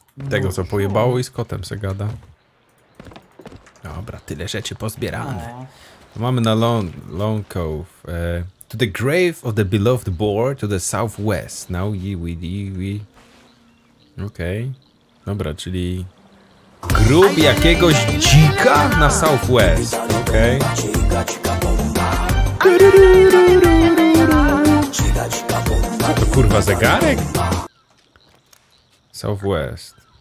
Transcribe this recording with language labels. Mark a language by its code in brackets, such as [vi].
[pl] Tego co pojebało i z kotem se gada. Dobra, tyle rzeczy pozbierane. Mamy na Long Cove. [en] To the grave of the beloved boar to the southwest. Now ye we [pl] Okej. Okay. Dobra, czyli... grób jakiegoś dzika na Southwest. Okej. Co to kurwa zegarek? Southwest.